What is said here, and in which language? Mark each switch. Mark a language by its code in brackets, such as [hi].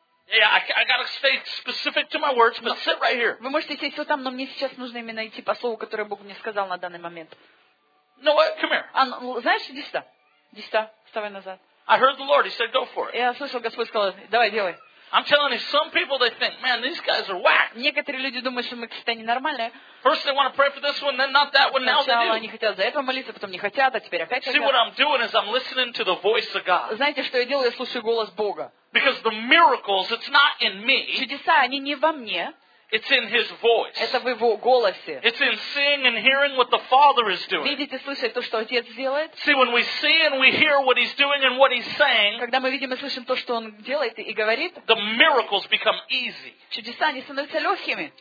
[en] Yeah, I gotta stay specific to my words, but sit right here. [ru] Вы можете сесть вот там, но мне сейчас нужно именно идти по слову, которое Бог мне сказал на данный момент. [en] No, come here. [ru] А, знаешь, иди сюда. Иди сюда, вставай назад. [en] I heard the Lord. He said, "Go for it." [ru] Я слышал, Господь сказал, давай, делай. [en] I'm telling you, some people they think, man, these guys are whack. [ru] Некоторые люди думают, что мы какие-то ненормальные. [en] First they want to pray for this one, then not that one. Now they do. [ru] Сначала они хотят за этого молиться, потом не хотят, а теперь опять. [en] See what I'm doing is I'm listening to the voice of God. [ru] Знаете, что я делаю? Я слушаю голос Бога. [en] Because the miracles, it's not in me. [ru] Чудеса, они не во мне. [en] It's in His voice. [ru] Это в Его голосе. [en] It's in seeing and hearing what the Father is doing. [ru] Видеть и слышать то, что Отец делает. [en] See, when we see and we hear what He's doing and what He's saying. [ru] Когда мы видим и слышим то, что Он делает и говорит. [en] The miracles become easy. [ru] Чудеса они становятся легкими.